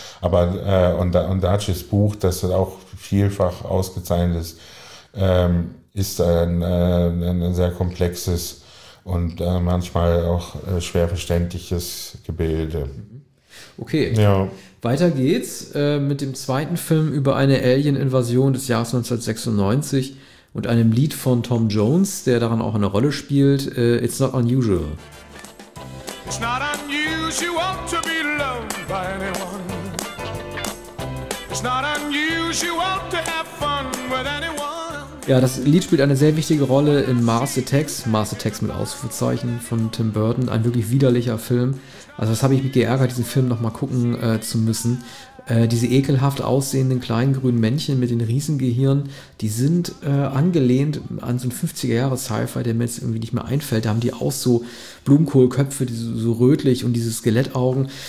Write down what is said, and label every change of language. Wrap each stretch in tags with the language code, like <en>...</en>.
<de>Aber und Dacis Buch, das auch vielfach ausgezeichnet ist, ist ein sehr komplexes und manchmal auch schwer verständliches Gebilde. Okay, ja. Weiter geht's mit dem zweiten Film über eine Alien-Invasion des Jahres 1996 und einem Lied von Tom Jones, der daran auch eine Rolle spielt, It's Not Unusual.</de> <en>It's not unusual to be loved by anyone. It's not unusual to have fun with anyone.</en> <de>Ja, das Lied spielt eine sehr wichtige Rolle in Mars Attacks mit Ausrufezeichen von Tim Burton, ein wirklich widerlicher Film. Also das habe ich mich geärgert, diesen Film nochmal gucken zu müssen. Diese ekelhaft aussehenden kleinen grünen Männchen mit den Riesengehirn, die sind angelehnt an so ein 50er-Jahre-Sci-Fi, der mir jetzt irgendwie nicht mehr einfällt. Da haben die auch so Blumenkohlköpfe, die so rötlich und diese Skelettaugen.</de>